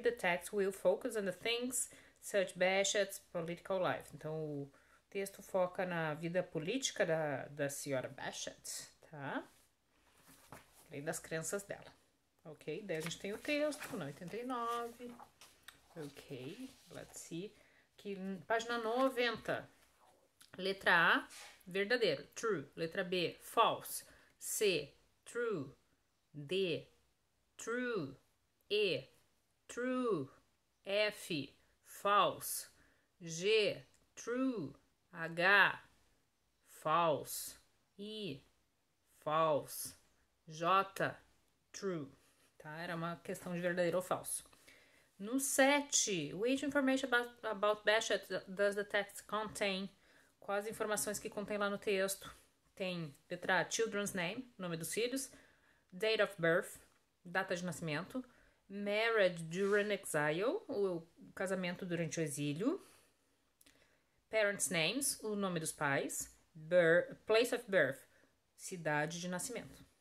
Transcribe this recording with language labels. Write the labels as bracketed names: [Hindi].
[English] The text will focus on the things such Bashett's political life. [Portuguese] Então, o texto foca na vida política da senhora Bashett, tá? Além das crenças dela. Ok? Daí a gente tem o texto, na 89. [English] Ok, let's see. [Portuguese] Aqui, página 90. Letra A, verdadeiro. True. Letra B, false. [English] C, true. D, true. E, true. F, false. G, true. H, false. I, false. J, true, tá? [Portuguese] Era uma questão de verdadeiro ou falso. [English] No 7, which information about Bashett does the text contain? [Portuguese] Quais informações que contém lá no texto? Tem letra A, [English] children's name, [Portuguese] nome dos filhos, [English] date of birth, [Portuguese] data de nascimento, [English] marriage during exile, [Portuguese] o casamento durante o exílio, [English] parents' names, [Portuguese] o nome dos pais, [English] place of birth, [Portuguese] cidade de nascimento.